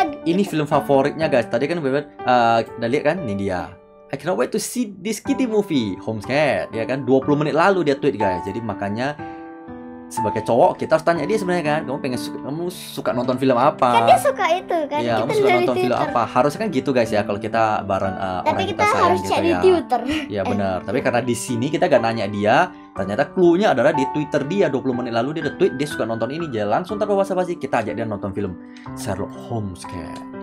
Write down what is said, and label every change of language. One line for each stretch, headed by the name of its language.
Indonesian: ini film favoritnya guys. Tadi kan bebet udah lihat kan, ini dia.
English: I cannot wait to see this kitty movie, Holmes Cat.
Indonesian: Dia kan 20 menit lalu dia tweet guys. Jadi makanya sebagai cowok kita harus tanya dia sebenarnya kan, kamu suka nonton film apa? Kan dia suka itu kan. Iya, kamu suka nonton film apa? Harusnya kan gitu guys ya, kalau kita bareng orang kita sayang gitu ya. Tapi kita harus cek di Twitter. Iya benar, tapi karena di sini kita gak nanya dia, ternyata cluenya adalah di Twitter dia 20 menit lalu dia udah tweet dia suka nonton ini, jadi langsung tanpa basa-basi kita ajak dia nonton film Sherlock Holmes kayak.